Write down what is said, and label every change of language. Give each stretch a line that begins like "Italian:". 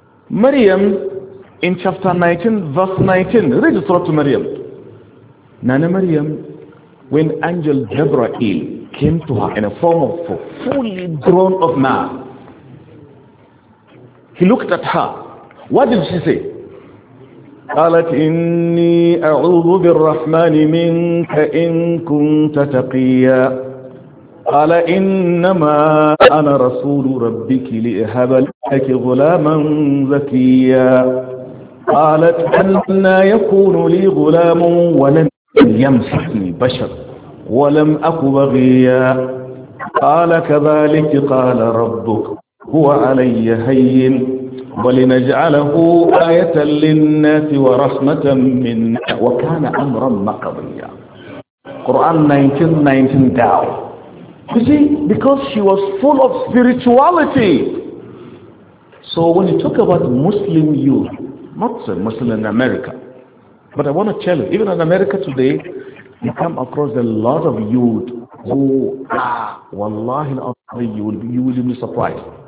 English: Maryam in chapter 19, verse 19. Read the Surah to Maryam. Nana Maryam, when angel Jibril came to her in a form of a fully grown of man, he looked at her. What did she say?
Arabic: قالت إني أعوذ بالرحمن منك إن كنت تقيا قال إنما أنا رسول ربك لأهب لك غلاما زكيا قالت أنى يكون لي غلام ولم يمسسني بشر ولم أك بغيا قال كذلك قال ربك هو علي هين ولنجعله آية للناس ورحمة منا وكان أمرا مقضيا قرآن 1919
English: You see, because she was full of spirituality. So when you talk about Muslim youth, not so Muslim in America, but I want to tell you, even in America today, you come across a lot of youth who wallahi, you will be surprised.